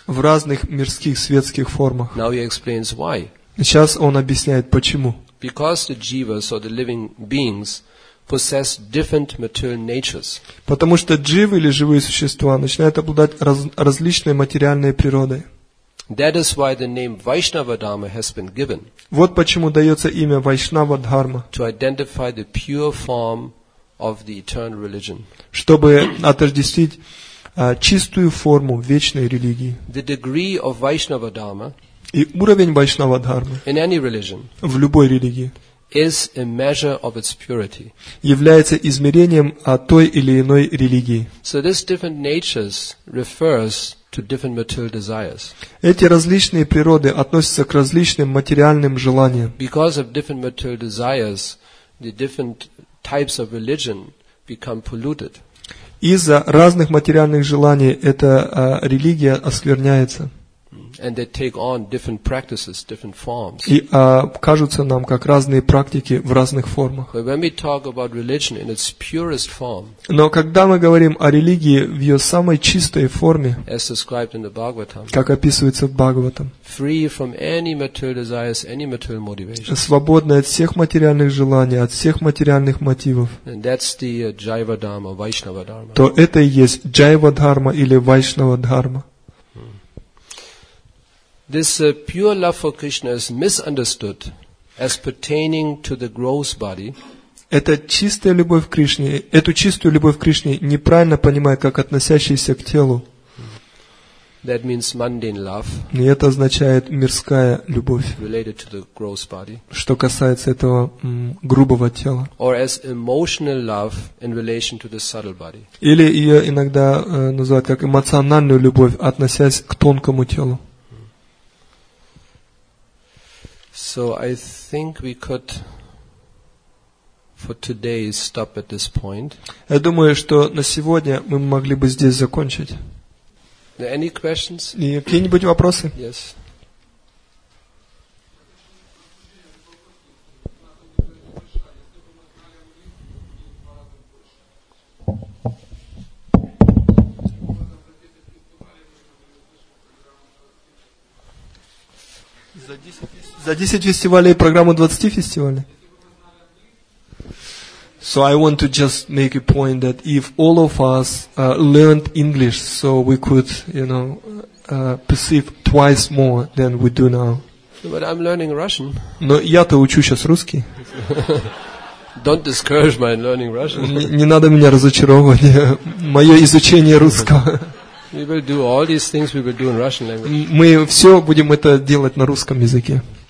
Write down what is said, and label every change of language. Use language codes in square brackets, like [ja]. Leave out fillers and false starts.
[ru] В разных мирских светских формах. [en] Now he explains why. [ru] Сейчас он объясняет, почему. [en] Because the jivas or the living beings possess different material natures. [ru] Потому что дживы или живые существа начинают обладать различной материальной природой. [en] That is why the name Vaishnava Dharma has been given. [ru] Вот почему дается имя Вайшнава Дхарма. [en] To identify the pure form of the eternal religion. [ru] Чтобы отождествить чистую форму вечной религии. [en] The degree of Vaishnava Dharma. [ru] И уровень Вайшнава Дхармы [en] in any religion, [ru] в любой религии [en] is a measure of its purity. [ru] Является измерением той или иной религии. [en] So this different natures refers to different material desires. [ru] Эти различные природы относятся к различным материальным желаниям. [en] Because of different material desires, the different types of religion become polluted. [ru] Из-за разных материальных желаний эта религия оскверняется. [en] And they take on different practices, different forms. [ru] И кажутся нам как разные практики в разных формах. [en] But when we talk about religion in its purest form, [ru] но когда мы говорим о религии в ее самой чистой форме, [en] as described in the Bhagavatam, [ru] как описывается в Бхагаватам, [en] free from any material desires, any material motivation, [ru] свободная от всех материальных желаний, от всех материальных мотивов, [en] and that's the Jiva Dharma, Vaishnava Dharma. [ru] То это и есть Jiva Dharma или Vaishnava Dharma. [en] This pure love for Krishna is misunderstood as pertaining to the gross body. [ru] Эта чистая любовь к Кришне, эту чистую любовь к Кришне неправильно понимают как относящуюся к телу. [en] That means mundane love. [ru] И это означает мирская любовь. [en] Related to the gross body. [ru] Что касается этого грубого тела. [en] Or as emotional love in relation to the subtle body. [ru] Или ее иногда называют как эмоциональную любовь, относясь к тонкому телу. [en] So I think we could for today stop at this point. [ru] Я думаю, что на сегодня мы могли бы здесь закончить. [en] Any questions? [ru] Какие-нибудь вопросы? [en] Yes. [ru] За 10 фестивалей программу 20 фестивалей. [en] So I want to just make a point that if all of us learned English, so we could, you know, perceive twice more than we do now. But I'm learning Russian. [ru] Но я-то учу сейчас русский. [en] Don't discourage my learning Russian. [ru] Не надо меня разочаровывать мое изучение русского. [en] We will do all these things we will do in Russian language. [ru] Мы все будем это делать на русском языке.